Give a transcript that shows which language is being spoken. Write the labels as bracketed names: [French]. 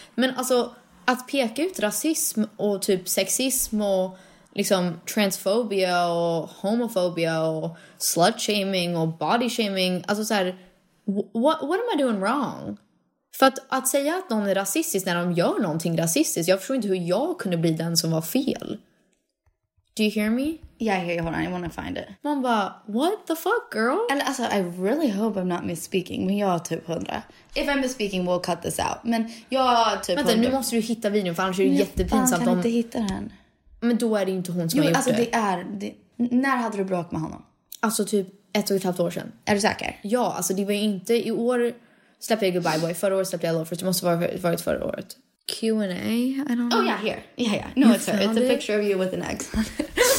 [Swedish] Men alltså att peka ut rasism och typ sexism och liksom transphobia och homophobia och slut-shaming och body-shaming. Alltså så här, [English] what am I doing wrong? [Swedish] För att säga att någon är rasistisk när de gör någonting rasistiskt, jag förstår inte hur jag kunde bli den som var fel. [English] Do you hear me? Yeah, I hear you. Hold on. I want to find it. [Swedish] Man bara, [English] what the fuck, girl? And also, I really hope I'm not misspeaking. [Swedish] Men jag har typ 100. [English] If I'm misspeaking, we'll cut this out. [Swedish] Men jag har typ 100. Vänta, nu måste du hitta videon, för annars är det jättepinsamt. Jag kan inte hitta den. Men då är det inte hon som har gjort det. Jo, alltså det är... När hade du bråk med honom? Alltså typ 1,5 år sedan. Är du säker? Ja, alltså det var inte... I år släppte jag Goodbye Boy. Förra året släppte jag Loafers. Det måste ha varit förra året. [English] Q&A, I don't know. Oh yeah, here. Yeah. No, it's a picture of you with an egg on it.